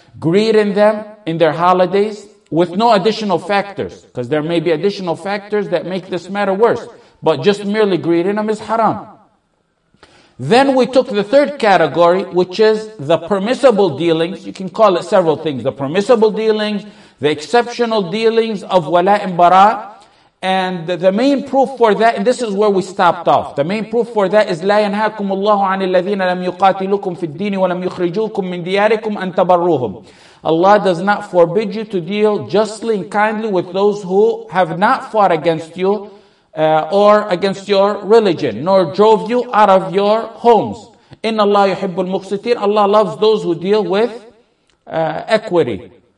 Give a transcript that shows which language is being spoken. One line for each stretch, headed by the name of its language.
English: Greeting them in their holidays. With no additional factors, because there may be additional factors that make this matter worse, but just merely greeting them is haram. Then we took the third category, which is the permissible dealings. You can call it several things. The permissible dealings, the exceptional dealings of Wala'i Bara. And the main proof for that, and this is where we stopped off. The main proof for that is
Arabic: لا ينهاكم الله عن الذين لم يقاتلوكم في الدين ولم يخرجوكم من دياركم أن تبروهم.
English: Allah does not forbid you to deal justly and kindly with those who have not fought against you or against your religion, nor drove you out of your homes.
Arabic: إِنَّ اللَّهَ يُحِبُّ الْمُقْسِطِينَ
English: Allah loves those who deal with equity.